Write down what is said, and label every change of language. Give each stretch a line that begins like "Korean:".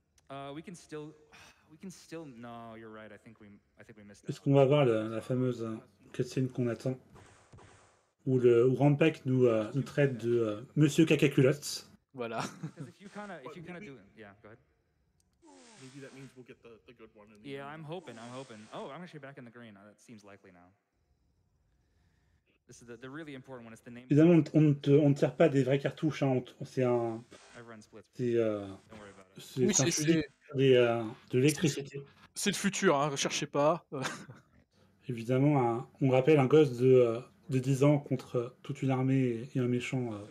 French: Est-ce qu'on va avoir la fameuse cutscene qu'on attend où Rampage nous traite de Monsieur Caca Culottes. Voilà.
English: Maybe that means we'll get the good one in the Yeah, end. I'm hoping. Oh, I'm actually back in the green. That seems likely now. This is the really important one. It's the name.
French: Évidemment, on ne tire pas des vraies cartouches. Hein. De l'électricité. C'est le futur. Hein. Recherchez pas. Évidemment, on rappelle un gosse de 10 ans contre toute une armée et un méchant.